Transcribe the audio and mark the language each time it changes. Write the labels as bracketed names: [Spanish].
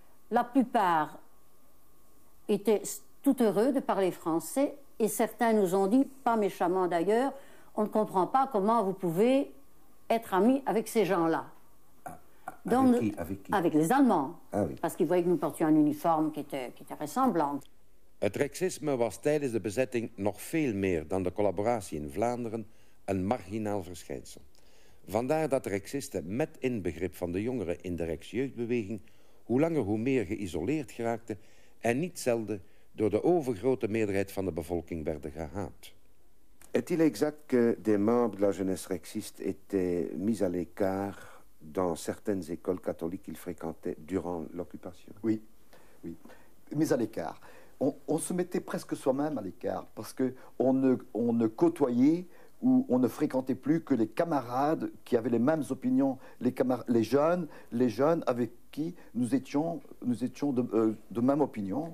[French] La plupart étaient tout heureux de parler français, et certains nous ont dit, pas méchamment d'ailleurs, on ne comprend pas comment vous pouvez être amis avec ces gens-là. Avec qui? Avec les Allemands. Ah, oui. Parce qu'ils voyaient que nous portions un uniforme qui était ressemblant. [Dutch] Het rexisme was tijdens de bezetting nog veel meer dan de collaboratie in Vlaanderen een marginaal verschijnsel. Vandaar dat rexisten met inbegrip van de jongeren in de rexjeugdbeweging hoe langer hoe meer geïsoleerd geraakten en niet zelden door de overgrote meerderheid van de bevolking werden gehaat. [French] Est-il exact que des membres de la jeunesse rexiste étaient mis à l'écart dans certaines écoles catholiques qu'ils fréquentaient durant l'occupation? Oui, oui. Mis à l'écart. On se mettait presque soi-même à l'écart parce qu'on ne côtoyait ou on ne fréquentait plus que les camarades qui avaient les mêmes opinions, les jeunes avec qui nous étions de même opinion.